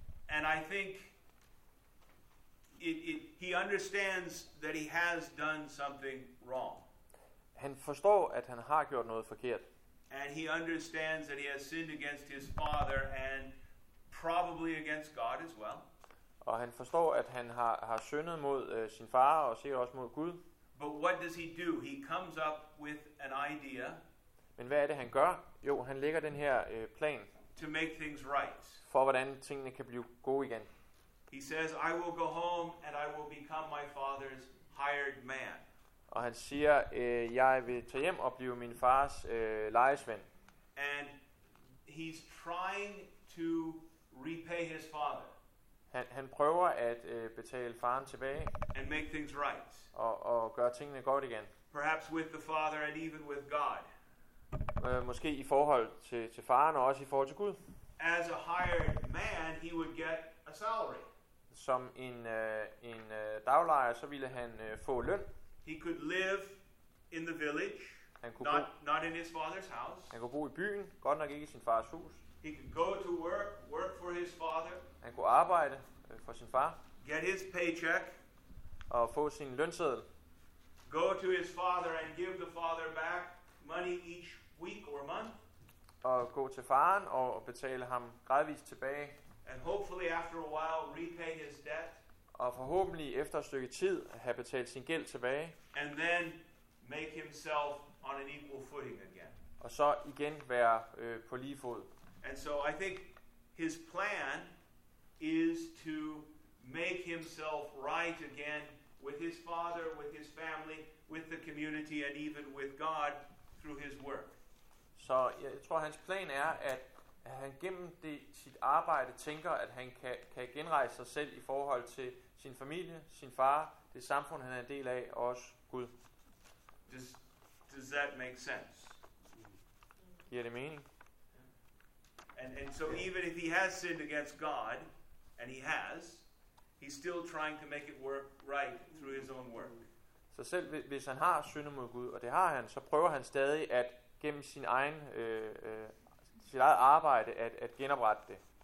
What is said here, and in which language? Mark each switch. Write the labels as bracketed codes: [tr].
[en] And I think he understands that he has done something wrong. [da] Han forstår, at han har gjort noget forkert. [en] And he understands that he has sinned against his father and probably against God as well. [da] Og han forstår at han har syndet mod sin far og sikkert også mod Gud. [en] But what does he do? He comes up with an idea. [da] Men hvad er det han gør? Jo, han lægger den her plan [en] to make things right. [da] For hvordan tingene kan blive gode igen. [en] He says I will go home and I will become my father's hired man. [da] Og han siger, jeg vil tage hjem og blive min fars lejesvend. [en] And he's trying to repay his father. [da] Han prøver at betale faren tilbage. [en] And make things right. [da] Og gøre tingene godt igen. [en] Perhaps with the father and even with God. [da] Måske i forhold til faren og også i forhold til Gud. [en] As a hired man, he would get a salary. [da] Som en daglejer, så ville han få løn. [en] He could live the village, not in his father's house. [da] Han kunne bo i byen, godt nok ikke i sin fars hus. [en] He could go to work for his father. [da] Han kunne arbejde for sin far. [en] Get his paycheck. [da] Og få sin lønseddel. [en] Go to his father and give the father back money each week or month. [da] Og gå til faren og betale ham gradvist tilbage. [en] And hopefully after a while repay his debt. [da] Og forhåbentlig efter et stykke tid have betalt sin gæld tilbage. [en] And then make himself on an equal footing again. [da] Og så igen være på lige fod. [en] And so I think his plan is to make himself right again with his father, with his family, with the community, and even with God through his work. [da] Så jeg tror hans plan er, at han gennem sit arbejde tænker, at han kan genrejse sig selv i forhold til sin familie, sin far, det samfund han er en del af, og også Gud. [en] Does that make sense? [da] Giver det mening? [en] And so even if he has sinned against God, and he has, he's still trying to make it work right through his own work. [da] Så selv hvis han har syndet mod Gud, og det har han, så prøver han stadig at gennem sin egen sit eget arbejde at genoprette det.